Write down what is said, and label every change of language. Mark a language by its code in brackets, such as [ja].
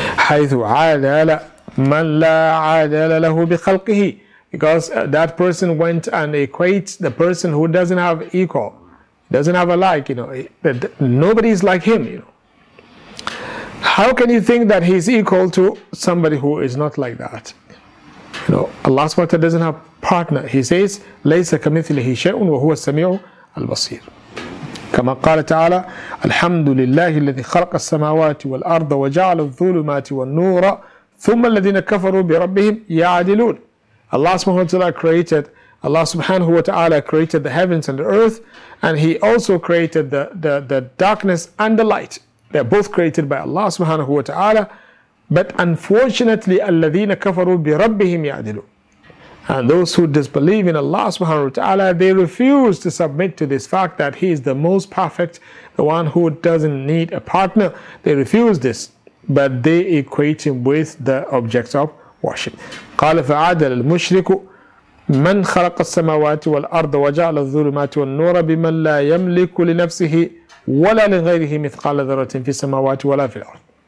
[ar] حيث عادل من لا عادل له بخلقه [en] because that person went and equates the person who doesn't have equal, doesn't have a like, you know, that nobody is like him, you know. How can you think that he's equal to somebody who is not like that? You know, Allah subhanahu wa ta'ala doesn't have partner. He says, [ar] ليس كمثله شيء وهو السميع البصير. كما قال تعالى الحمد لله الذي خلق السماوات والأرض وجعل الظلمات والنور ثم الذين كفروا بربهم يعدلون [en] Allah subhanahu wa ta'ala created Allah subhanahu wa ta'ala created the heavens and the earth and he also created the darkness and the light they're both created by Allah subhanahu wa ta'ala But unfortunately, [ar] الَّذِينَ كَفَرُوا بِرَبِّهِمْ يَعْدِلُونَ. [en] And those who disbelieve in Allah subhanahu wa ta'ala, they refuse to submit to this fact that He is the most perfect, the one who doesn't need a partner. They refuse this, but they equate Him with the objects of worship. [ar] قَالَ فَعَدَلَ الْمُشْرِكُ مَنْ خَلَقَ السَّمَوَاتِ وَالْأَرْضَ وَجَعَلَ الظُّلُمَاتِ وَالنُّورَ بِمَنْ لَا يَمْلِكُ لِنَفْسِهِ وَلَا لِغَيْرِهِ مِثْقَالَ ذَرَّةٍ فِي السَّمَوَاتِ وَلَا فِي الْأَرْضِ.